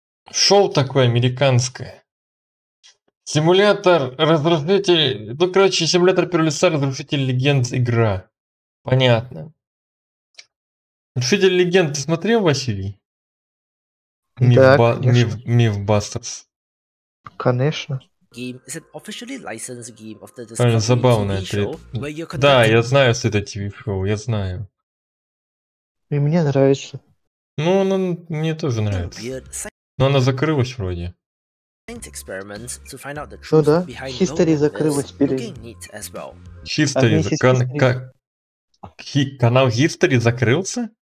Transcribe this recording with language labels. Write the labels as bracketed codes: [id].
[ru] Шоу такое американское. Симулятор, разрушитель... Ну, короче, симулятор первого лица, разрушитель легенд, игра. Понятно. Разрушитель легенд, ты смотрел, Василий? Да, конечно. Мифбастерс. Конечно. [en] game is an officially licensed game of the Discovery TV show, where you're conducting... [ru] Да, я знаю, что это TV-шоу, я знаю. И мне нравится. Ну, она мне тоже нравится. Но она закрылась вроде. [en] Experiments to find out the truth, [ru] ну да, [en] behind history [ru] закрылась перед... [en] Well. [ru] History, канал History закрылся?